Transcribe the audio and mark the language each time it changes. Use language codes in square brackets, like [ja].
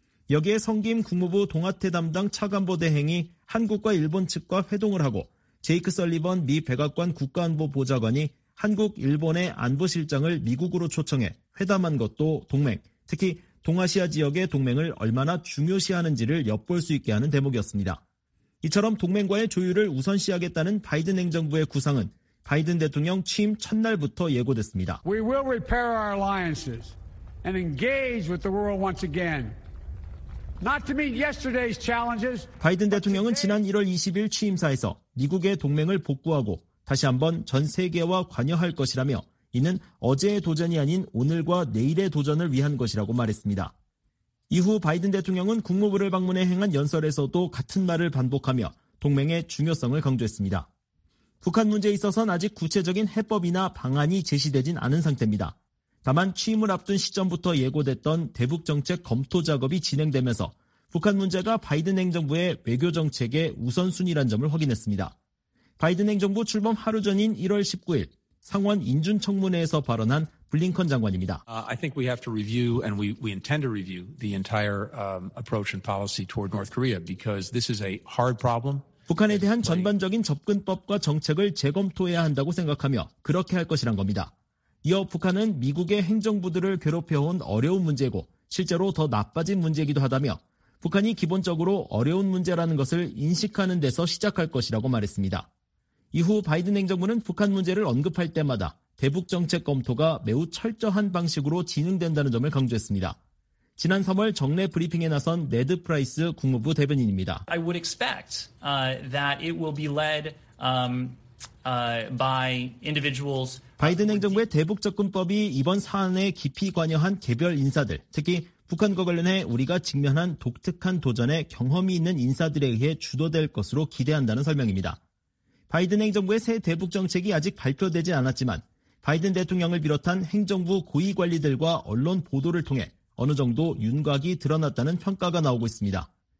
[ko] 여기에 성김 국무부 동아태 담당 차관보 대행이 한국과 일본 측과 회동을 하고 제이크 설리번 미 백악관 국가안보보좌관이 한국, 일본의 안보실장을 미국으로 초청해 회담한 것도 동맹, 특히 동아시아 지역의 동맹을 얼마나 중요시하는지를 엿볼 수 있게 하는 대목이었습니다. 이처럼 동맹과의 조율을 우선시하겠다는 바이든 행정부의 구상은 바이든 대통령 취임 첫날부터 예고됐습니다. [en] We will repair our alliances and engage with the world once again. Not to meet yesterday's challenges. [ko] 바이든 대통령은 지난 1월 20일 취임사에서 미국의 동맹을 복구하고 다시 한번 전 세계와 관여할 것이라며 이는 어제의 도전이 아닌 오늘과 내일의 도전을 위한 것이라고 말했습니다. 이후 바이든 대통령은 국무부를 방문해 행한 연설에서도 같은 말을 반복하며 동맹의 중요성을 강조했습니다. 북한 문제에 있어서는 아직 구체적인 해법이나 방안이 제시되진 않은 상태입니다. 다만 취임을 앞둔 시점부터 예고됐던 대북정책 검토 작업이 진행되면서 북한 문제가 바이든 행정부의 외교정책의 우선순위란 점을 확인했습니다. 바이든 행정부 출범 하루 전인 1월 19일 상원 인준청문회에서 발언한 블링컨 장관입니다. [en] I think we have to review and we intend to review the entire approach and policy toward North Korea because this is a hard problem. [ko] 북한에 대한 전반적인 접근법과 정책을 재검토해야 한다고 생각하며 그렇게 할 것이란 겁니다. 이어 북한은 미국의 행정부들을 괴롭혀온 어려운 문제고 실제로 더 나빠진 문제이기도 하다며 북한이 기본적으로 어려운 문제라는 것을 인식하는 데서 시작할 것이라고 말했습니다. 이후 바이든 행정부는 북한 문제를 언급할 때마다 대북 정책 검토가 매우 철저한 방식으로 진행된다는 점을 강조했습니다. 지난 3월 정례 브리핑에 나선 네드 프라이스 국무부 대변인입니다. [en] I would expect that it will be led by individuals. [ko] 바이든 행정부의 대북 접근법이 이번 사안에 깊이 관여한 개별 인사들, 특히 북한과 관련해 우리가 직면한 독특한 도전에 경험이 있는 인사들에 의해 주도될 것으로 기대한다는 설명입니다. 바이든 행정부의 새 대북 정책이 아직 발표되지 않았지만 바이든 대통령을 비롯한 행정부 고위 관리들과 언론 보도를 통해 어느 정도 윤곽이 드러났다는 평가가 나오고 있습니다.